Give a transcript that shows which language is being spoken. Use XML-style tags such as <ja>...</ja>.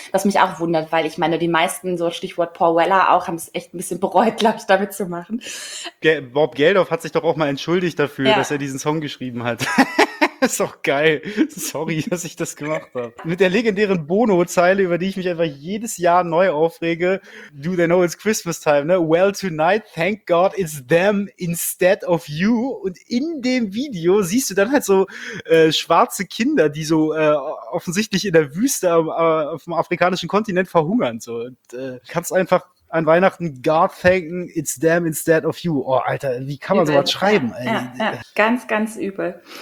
<de>Was mich auch wundert, weil ich meine, die meisten, so Stichwort Paul Weller auch, haben es echt ein bisschen bereut, glaube ich, damit zu machen. Bob Geldof hat sich doch auch mal entschuldigt dafür, ja, dass er diesen Song geschrieben hat. Das ist doch geil. Sorry, dass ich das gemacht habe. Mit der legendären Bono-Zeile, über die ich mich einfach jedes Jahr neu aufrege.</de> <en>Do they know it's Christmas time, ne? Well, tonight, thank God, it's them instead of you.</en> <de>Und in dem Video siehst du dann halt so schwarze Kinder, die so offensichtlich in der Wüste auf dem afrikanischen Kontinent verhungern. So. Und kannst einfach an Weihnachten God thanken,</de> <en>it's them instead of you.</en> <de>Oh, Alter, wie kann man sowas schreiben? Ja, ganz, ganz übel.</de>